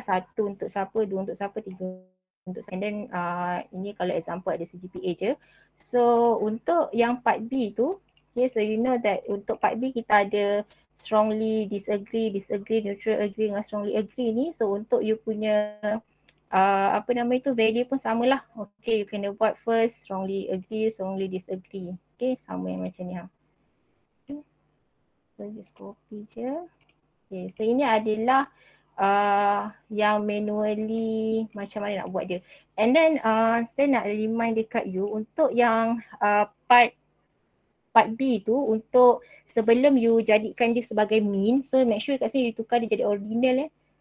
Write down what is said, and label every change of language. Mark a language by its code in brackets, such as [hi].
[ms] Satu untuk siapa, dua untuk siapa, tiga untuk siapa. [en] And then [ms] ini kalau example ada CGPA je. So untuk yang part B tu, okay, [en] so you know that [ms] untuk part B kita ada strongly disagree, disagree, neutral agree dengan strongly agree ni. So untuk you punya apa nama itu, value pun samalah. [en] Okay, you [ms] kena buat [en] first strongly agree, strongly disagree. [ms] Okay, sama yang macam ni ha. [en] So just copy je. [ms] Okay, so ini adalah yang manually macam mana nak buat dia. And then saya nak remind dekat you untuk yang part B tu, untuk sebelum you jadikan dia sebagai mean, [en] so make sure [ms] kat sini you tukar dia jadi ordinal eh.